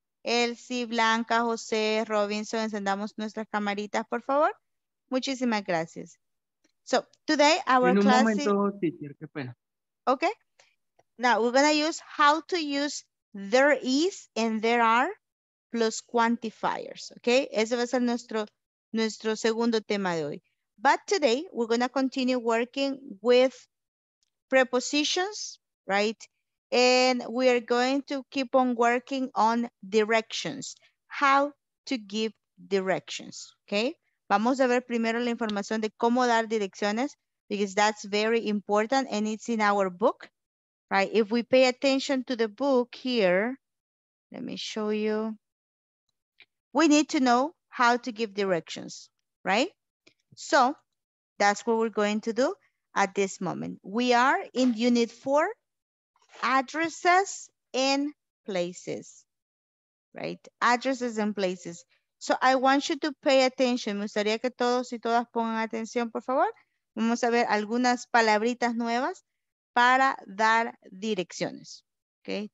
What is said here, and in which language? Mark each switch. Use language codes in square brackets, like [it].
[es] Elsie, Blanca, José, Robinson, encendamos nuestras camaritas, por favor. Muchísimas gracias. [en] So, today our class is... [es] En un momento, teacher, qué pena. [en] Okay. Now, we're going to use how to use there is and there are plus quantifiers, okay? [es] Ese va a ser nuestro segundo tema de hoy. [en] But today, we're going to continue working with prepositions, right? And we are going to keep on working on directions. How to give directions, okay? [es] Vamos a ver primero la información de cómo dar direcciones, [en] because that's very important and it's in our book, right? If we pay attention to the book here, let me show you. We need to know how to give directions, right? So that's what we're going to do at this moment. We are in unit 4, addresses and places, right? Addresses and places. So I want you to pay attention. [es] Me gustaría que todos y todas pongan atención, por favor. Vamos a ver algunas palabritas nuevas para dar direcciones, okay?